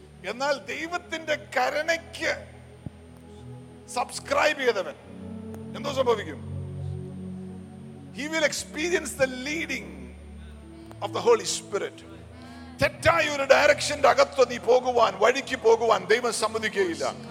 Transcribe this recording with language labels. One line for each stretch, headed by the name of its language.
Malayalam: എന്നാൽ ദൈവത്തിന്റെ കരുണയ്ക്ക് സബ്സ്ക്രൈബ് ചെയ്തവൻ എന്തോ സംഭവിക്കും.
English: He will experience the leading of the Holy Spirit.
Malayalam: തെറ്റായ ഒരു ഡയറക്ഷന്റെ അകത്ത് നീ പോകുവാൻ, വഴിക്ക് പോകുവാൻ ദൈവം സമ്മതിക്കുകയില്ല.